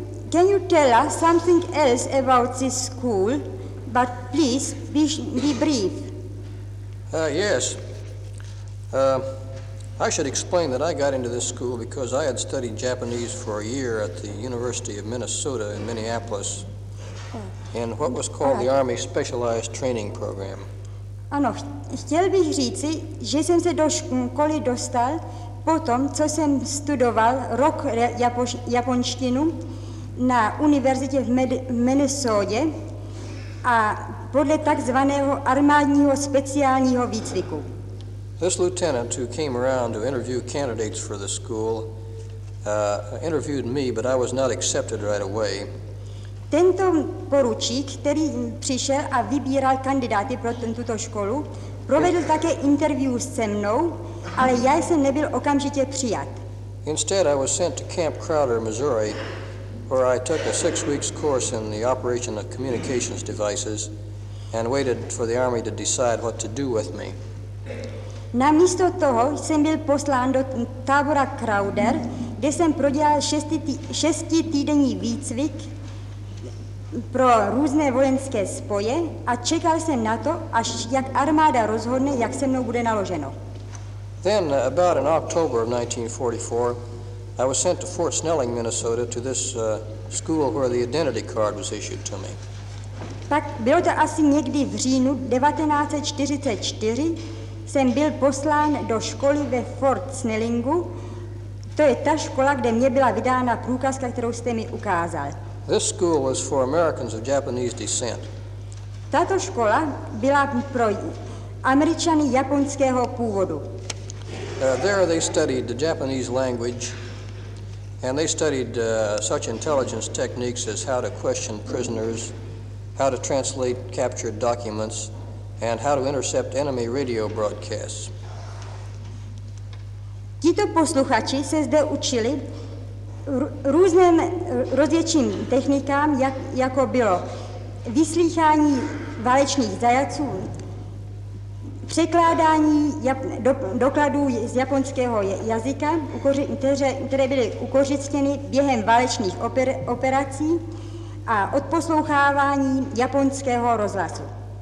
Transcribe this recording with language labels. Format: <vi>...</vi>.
<en>Can you tell us something else about this school, but please be brief. Yes. I should explain that I got into this school because I had studied Japanese for a year at the University of Minnesota in Minneapolis in what was called the Army Specialized Training Program.</en> <cs>Ano, chtěl bych říci, že jsem se do školy dostal potom, co jsem studoval rok japonštinu na univerzitě v Minnesotě a podle takzvaného armádního speciálního výcviku.</cs> <en>This lieutenant who came around to interview candidates for the school interviewed me, but I was not accepted right away.</en> <cs>Tento poručík, který přišel a vybíral kandidáty pro tuto školu, provedl také interview se mnou, ale já jsem nebyl okamžitě přijat.</cs> <en>Instead, I was sent to Camp Crowder, Missouri, where I took a 6-week course in the operation of communications devices and waited for the army to decide what to do with me.</en> <cs>Namísto toho jsem byl poslán do tábora Crowder, kde jsem prodělal 6-týdenní výcvik pro různé vojenské spoje a čekal jsem na to, až jak armáda rozhodne, jak se mnou bude naloženo.</cs> <en>Then, about in October of 1944, I was sent to Fort Snelling, Minnesota, to this school where the identity card was issued to me.</en> <cs>Pak bylo to asi někdy v říjnu 1944, jsem byl poslán do školy ve Fort Snellingu. To je ta škola, kde mě byla vydána průkazka, kterou jste mi ukázal.</cs> <en>This school was for Americans of Japanese descent.</en> <cs>Tato škola byla pro Američany japonského původu.</cs> <en>There they studied the Japanese language, and they studied such intelligence techniques as how to question prisoners, how to translate captured documents, and how to intercept enemy radio broadcasts.</en> <cs>Tito posluchači se zde učili různým rozvědčím technikám, jako bylo vyslýchání válečných zajaců, překládání dokladů z japonského jazyka, které byly ukořistěny během válečných operací, a odposlouchávání japonského rozhlasu.</cs>